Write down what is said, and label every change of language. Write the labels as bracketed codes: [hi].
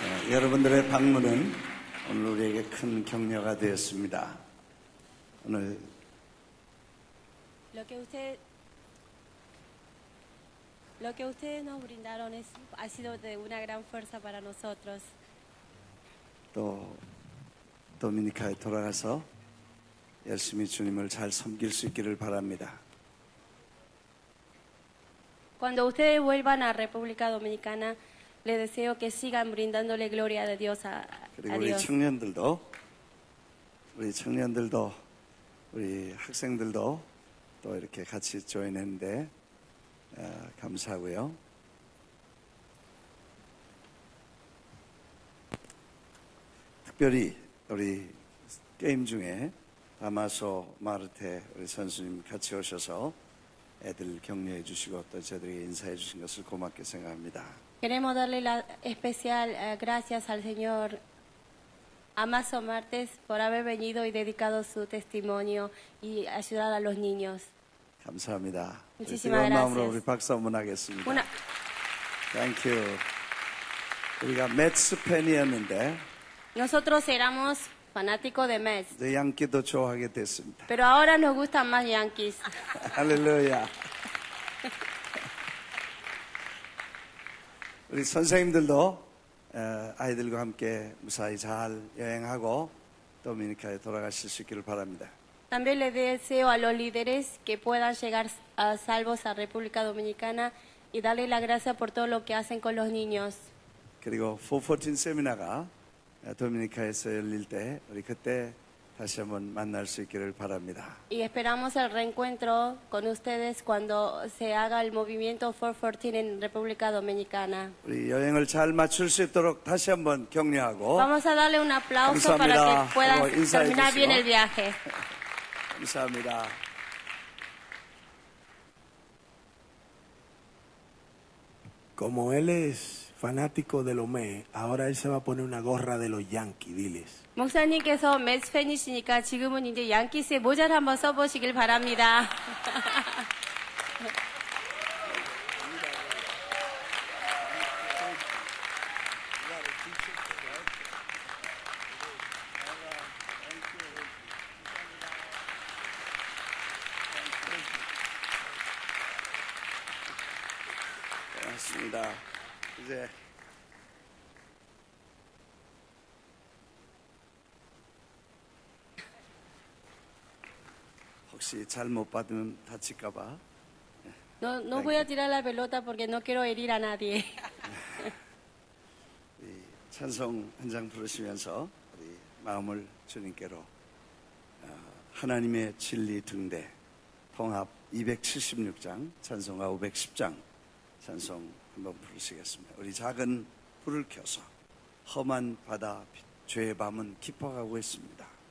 [ko] 여러분들의 방문은 오늘 우리에게 큰 격려가 되었습니다. 오늘 [es] lo que ustedes nos brindaron es ha sido de una gran fuerza para nosotros. [ko] 또 도미니카에 돌아가서 열심히 주님을 잘 섬길 수 있기를 바랍니다. [es] Cuando ustedes vuelvan a República Dominicana, les deseo que sigan brindándole gloria de Dios a Dios. [ko] 그리고 우리 청년들도 우리 학생들도 또 이렇게 같이 조인했는데 감사하고요. 특별히 우리 게임 중에 다마소 마르테 우리 선수님 같이 오셔서 애들 격려해 주시고 또 저들에게 인사해 주신 것을 고맙게 생각합니다. [es] Queremos darle la especial gracias al señor Amazo Martes por haber venido y dedicado su testimonio y ayudar a los niños. [ko] 감사합니다. [es] Muchísimas gracias. [ko] 마음으로 우리 박수 한번 하겠습니다. [en] Thank you. [ko] 우리가 메츠 팬이었는데 [es] Nosotros éramos fanáticos de Mets. [ko] 이제 양키도 좋아하게 됐습니다. [es] Pero ahora nos gustan más Yankees. Aleluya. [ko] 우리 선생님들도 아이들과 함께 무사히 잘 여행하고 도미니카에 돌아가실 수 있기를 바랍니다. [es] También les deseo a los líderes que puedan llegar a salvos a República Dominicana y darle la gracia por todo lo que hacen con los niños. [ko] 그리고 414 세미나가 도미니카에서 열릴 때 우리 그때 다시 한번 만날 수 있기를 바랍니다. [es] Y esperamos el reencuentro con ustedes cuando se haga el movimiento 414 en República Dominicana. [ko] 우리 여행을 잘 마칠 수 있도록 다시 한번 격려하고 [es] Vamos a darle un aplauso [ko] 감사합니다. [es] para que puedan terminar [ko] 주시오. [es] bien el viaje. [ko] 감사합니다. 감사합니다. [es] Como él es fanático de los Mets, ahora él se va a poner una gorra de los Yankees, diles. [ko] 목사님께서 Mets 팬이시니까 지금은 이제 양키스의 모자를 한번 써보시길 바랍니다. 고맙습니다. 이제 혹시 잘못 받으면 다칠까 봐. [es] No voy a tirar la pelota porque no quiero herir a nadie. [ko] 이 찬송 한 장 부르시면서 우리 마음을 주님께로 하나님의 진리 등대 통합 276장 찬송가 510장 찬송 한번 부르시겠습니다. 우리 작은 불을 켜서 험한 바다 죄의 밤은 깊어가고 있습니다.